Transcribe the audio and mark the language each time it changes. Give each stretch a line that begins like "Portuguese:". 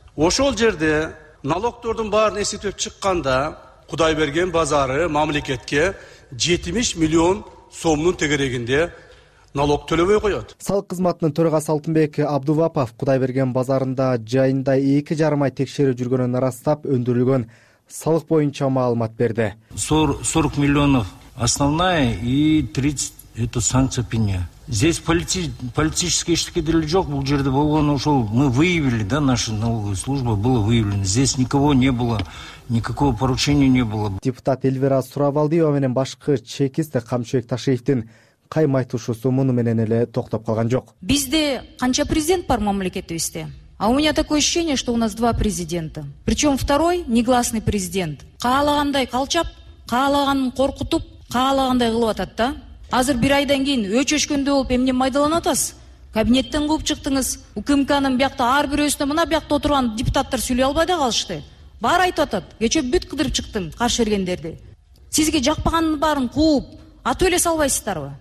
Kyrgyz: Ошол жерде налогтордун баарын эсептеп чыкканда Кудай берген базары мамлекетке 70 миллион сомунун тегерегинде налог төлөбөй коет. Салык кызматынын төрагасы Алтынбек Абдувапов Кудайберген базарында жайында 2.5 ай текшерүү жүргөнүн ырастап өндүрүлгөн салык боюнча маалымат берди.
Russian: 40 миллионов основная и 30 это санкция пеня. Здесь политический
Kyrgyz: штыкедели жок, бул жерде болгон ошол
Russian: мы выявили, да, наша налоговая служба была выявлена. Здесь никого не было. Никакого поручения не было.
Kyrgyz: Депутат Эльвира Сурабалдиева менен башкы чекист Камчыбек Ташиевдин кайм айтуушусу муну менен эле токтоп калган жок. Бизде канча президент бар мамлекетибизде?
Russian: А у меня такое ощущение, что у нас два президента. Причем второй негласный президент.
Kyrgyz: Каалагандай калчап, каалаганын коркутуп, каалагандай кылып атат да. Азыр бир айдан кийин өчөшкөндөй болуп эмне майдаланат аз? Кабинеттен кууп чыктыңыз. УКМКнын биякта ар бирөөсүнө мына биякта отурган депутаттар сүйлөй албай да калышты. Баары айтып атат, кечээ бүт кыдырып чыктым каршы бергендерди. Сизге жакпагандын баарын кууп, атып эле салбайсыздарбы?